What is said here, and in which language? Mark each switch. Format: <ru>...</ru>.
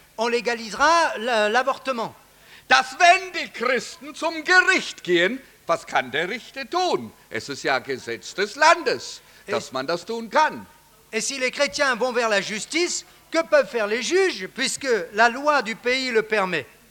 <fr>On légalisera l'avortement.</fr> <de>Dass wenn die Christen zum Gericht gehen, was kann der Richter tun? Es ist ja Gesetz des Landes, dass man das tun kann.</de> <fr>Et si les chrétiens vont vers la justice, que peuvent faire les juges, puisque la loi du pays le permet?</fr>